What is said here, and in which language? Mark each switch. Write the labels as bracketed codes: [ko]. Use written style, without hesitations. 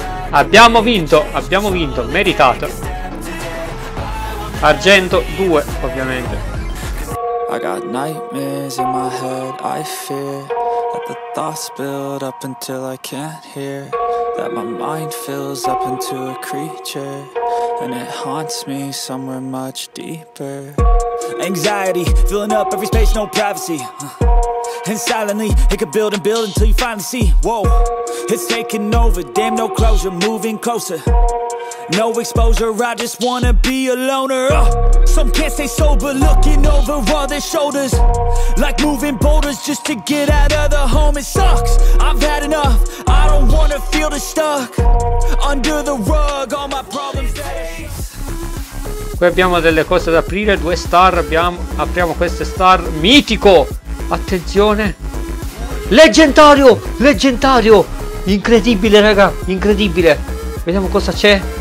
[it] abbiamo vinto, meritato. Argento 2, ovviamente. [en] I got nightmares in my head, I fear that the thoughts build up until I can't hear, that my mind fills up into a creature and it haunts me somewhere much deeper. Anxiety filling up every space, no privacy. And silently, it could build and build until you finally see. Whoa, it's taking over, damn no closure, moving closer. No exposure, I just wanna be a loner. Some can't stay sober, looking over all their shoulders, like moving boulders just to get out of the home. It sucks, I've had enough, I don't wanna feel the stuck under the rug, all my problems that are stuck. [it] Qui abbiamo delle cose da aprire, due star, apriamo queste star, mitico! Attenzione, leggendario, incredibile raga, incredibile, vediamo cosa c'è.